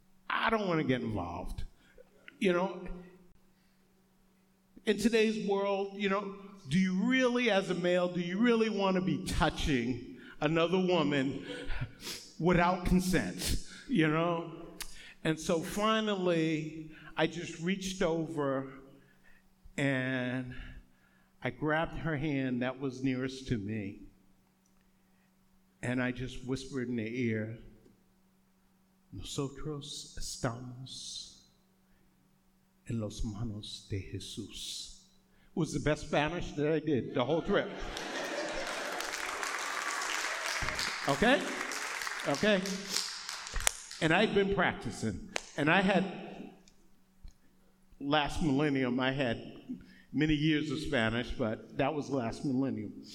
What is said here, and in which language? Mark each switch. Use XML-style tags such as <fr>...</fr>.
<en>I don't want to get involved. You know, in today's world, you know, do you really, as a male, do you really want to be touching another woman without consent? You know? And so finally, I just reached over and I grabbed her hand that was nearest to me. And I just whispered in the ear,</en> <es>nosotros estamos en las manos de Jesús.</es> <en>It was the best Spanish that I did the whole trip. Okay? Okay. And I'd been practicing. And I had, last millennium, I had many years of Spanish, but that was last millennium.</en>